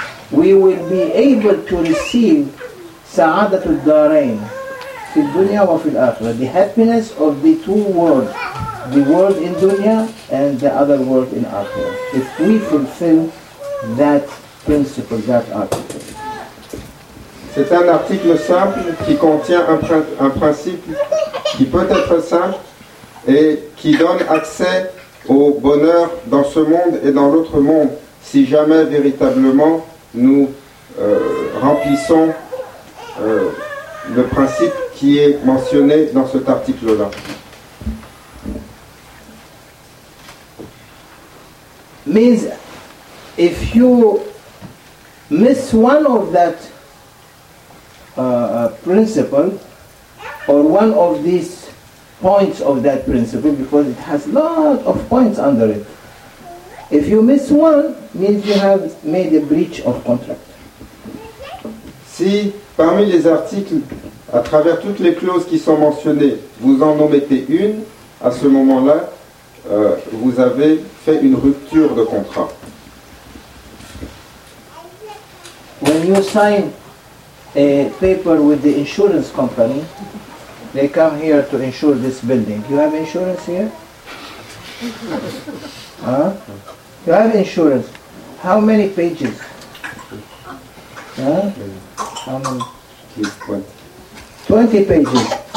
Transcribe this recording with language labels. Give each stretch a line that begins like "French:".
English: we will be able to receive
Arabic: سعادت الدارين في الدنيا وفي الآخرة,
English: the happiness of the two worlds, the world in dunya and the other world in akhirah, if we fulfill that principle, that article.
French: C'est un article simple qui contient un principe qui peut être simple et qui donne accès au bonheur dans ce monde et dans l'autre monde, si jamais véritablement nous remplissons le principe qui est mentionné dans cet article-là.
English: Means, if you miss one of that principle, or one of these points of that principle, because it has lot of points under it, if you miss one, means you have made a breach of contract.
French: Si parmi les articles, à travers toutes les clauses qui sont mentionnées, vous en omettez une, à ce moment-là, vous avez fait une rupture de contrat.
English: When you sign a paper with the insurance company, they come here to insure this building. You have insurance here? Huh? You have insurance. How many pages? Huh? How many? 20 pages.